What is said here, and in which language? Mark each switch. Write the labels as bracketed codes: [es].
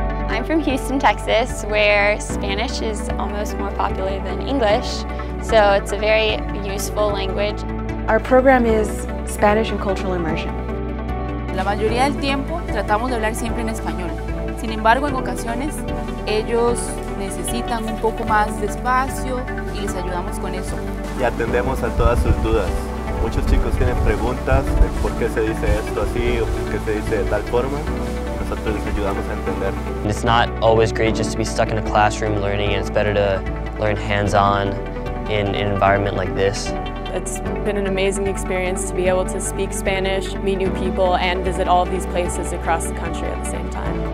[en] I'm from Houston, Texas, where Spanish is almost more popular than English, so it's a very useful language. Our program is Spanish and Cultural Immersion. [es] La mayoría del tiempo tratamos de hablar siempre en español. Sin embargo, en ocasiones, ellos necesitan un poco más de espacio y les ayudamos con eso. Y atendemos a todas sus dudas. Muchos chicos tienen preguntas de por qué se dice esto así o por qué se dice de tal forma. Nosotros les ayudamos a entender. [en] And it's not always great just to be stuck in a classroom learning, and it's better to learn hands-on in an environment like this. It's been an amazing experience to be able to speak Spanish, meet new people, and visit all of these places across the country at the same time.